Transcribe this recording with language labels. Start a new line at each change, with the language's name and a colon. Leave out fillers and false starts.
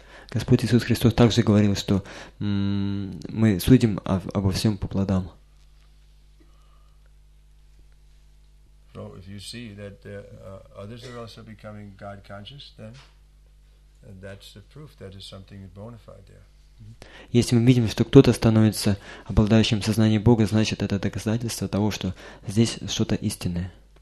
Russian: Господь Иисус Христос также говорил, что мы судим обо всем по плодам.
English: So if you see that others are also becoming God conscious, then that's the proof that is something bona fide there.
Russian: Если мы видим, что кто-то становится обладающим сознанием Бога, значит это доказательство того, что здесь что-то истинное.